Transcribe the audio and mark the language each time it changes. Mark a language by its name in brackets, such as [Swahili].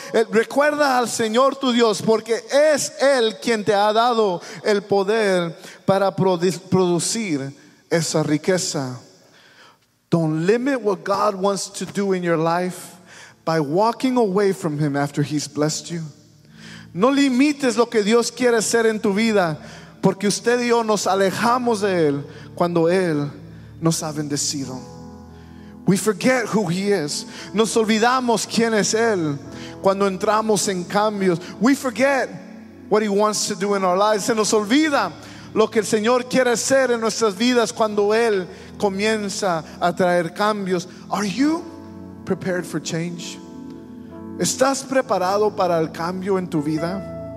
[Spanish] Recuerda al Señor tu Dios, porque es Él quien te ha dado el poder para producir esa riqueza. [English] Don't limit what God wants to do in your life by walking away from Him after He's blessed you. [Spanish] No limites lo que Dios quiere hacer en tu vida porque usted y yo nos alejamos de Él cuando Él nos ha bendecido. [English] We forget who He is. [Spanish] Nos olvidamos quién es Él cuando entramos en cambios. [English] We forget what He wants to do in our lives. [Spanish] Se nos olvida lo que el Señor quiere hacer en nuestras vidas cuando Él comienza a traer cambios. [English] Are you prepared for change? [Spanish] ¿Estás preparado para el cambio en tu vida?